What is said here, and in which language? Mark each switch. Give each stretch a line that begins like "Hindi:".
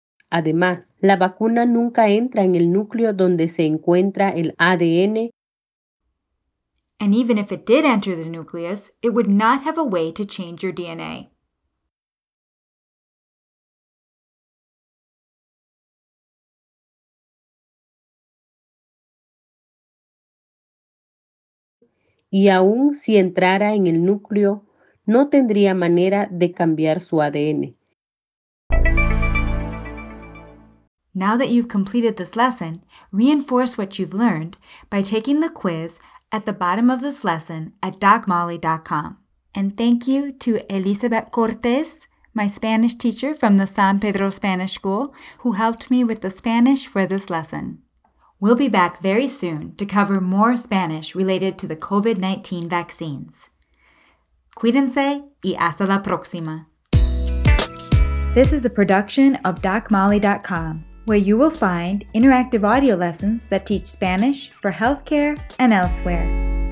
Spanish: Además, la vacuna nunca entra en el núcleo donde se encuentra el ADN.
English: And even if it did enter the nucleus, it would not have a way to change your DNA.
Spanish: Y aún si entrara en el núcleo, no tendría manera de cambiar su ADN.
English: Now that you've completed this lesson, reinforce what you've learned by taking the quiz at the bottom of this lesson at DocMolly.com. And thank you to Elizabeth Cortez, my Spanish teacher from the San Pedro Spanish School, who helped me with the Spanish for this lesson. We'll be back very soon to cover more Spanish related to the COVID-19 vaccines.
Spanish: Cuídense y hasta la próxima.
English: This is a production of DocMolly.com, where you will find interactive audio lessons that teach Spanish for healthcare and elsewhere.